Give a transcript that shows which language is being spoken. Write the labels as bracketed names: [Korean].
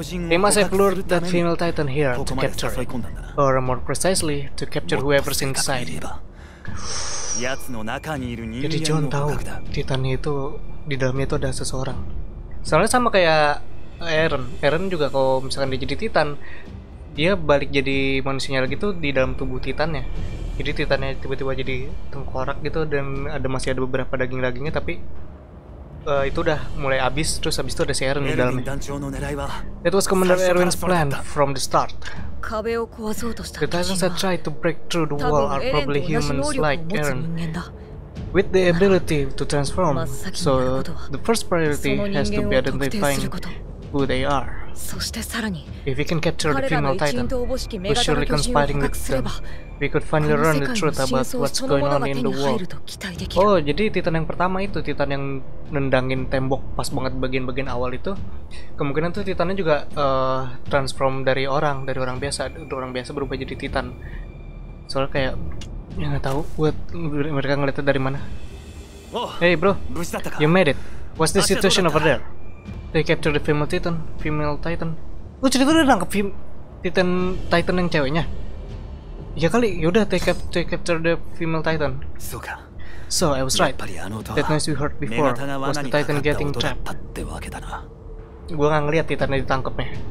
[English] They must have lured that female titan here to capture it. Or more precisely, to capture whoever's inside it. [Indonesian] Jadi John tahu titan itu, di dalamnya itu ada seseorang. Soalnya sama kayak Eren juga, kalau misalkan dia jadi titan, dia balik jadi manusianya lagi tuh di dalam tubuh titannya. Jadi titannya tiba-tiba jadi tengkorak gitu, dan masih ada beberapa daging-dagingnya, tapi itu udah mulai habis. Terus habis itu ada si Eren di dalamnya. [English] It was Commander Erwin's plan from the start. The titans that tried to break through the wall are probably humans like Eren, with the ability to transform. So the first priority has to be identifying who they are. If we can capture the female titan, we're surely conspiring with them. We could finally learn the truth about what's going on in the world. [Indonesian] Oh, jadi titan yang pertama itu, titan yang nendangin tembok pas banget bagian-bagian awal itu, kemungkinan tuh titannya juga transform dari orang biasa berubah jadi titan. Soalnya kayak, ya gak tau, mereka ngeliatnya dari mana. [English] Hey bro, you made it. What's the situation over there? They capture the female titan. [Indonesian] Lu cerita udah nangkep titan yang ceweknya? Ya kali, yaudah, [English] take capture the female titan. So, I was right. That noise we heard before was the titan getting trapped. [Indonesian] Gua gak ngeliat titannya ditangkepnya.